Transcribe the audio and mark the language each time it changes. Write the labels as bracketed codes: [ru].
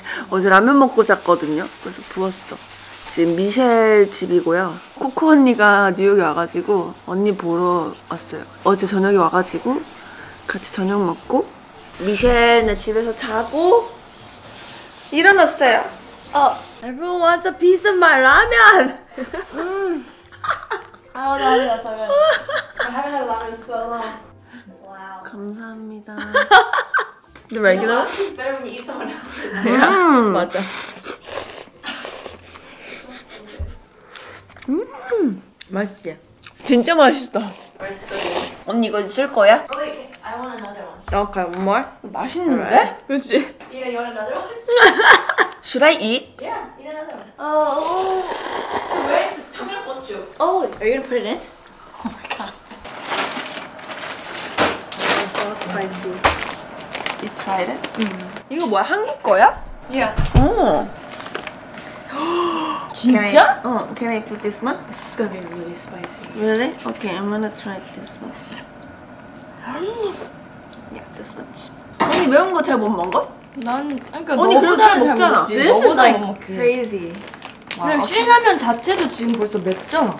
[ko] 어제 라면 먹고 잤거든요. 그래서 부었어. 지금 미셸 집이고요. 코코 언니가 뉴욕에 와가지고 언니 보러 왔어요. 어제 저녁에 와가지고 같이 저녁 먹고 미셸은 집에서 자고 일어났어요. [en] Everyone wants a piece of my ramen. Oh, that is so good. I haven't had ramen so long. Wow. [ko] 감사합니다. [en] The regular? You know, it's better when you eat someone else's. Yeah. [ko] 맞아. Mmm, 진짜 맛있어. 언니 이거 쓸 거야? [en] Wait, I want another one. Okay, more? [ko] 맛있는데? 그래? 그렇지. [en] Yeah, you want another one? Should I eat? Yeah, eat another one. Oh. Where is the tomato ketchup? Oh, are you gonna put it in? Oh my god. It's so spicy. You tried it? Mm. [ko] 이거 뭐야? 한국 거야? [en] Yeah. Oh. [ko] 진짜? [en] Can I put this one? This is gonna be really spicy. Really? Okay, I'm gonna try this much. Yeah, this much. [ko] 언니 매운 거 잘 못 먹어? 난 그러니까 너보다 잘 먹잖아. 잘 먹지. This 너보다 [en] is like 먹지. Crazy. [ko] 그냥 wow, 신라면 okay. 자체도 지금 벌써 맵잖아.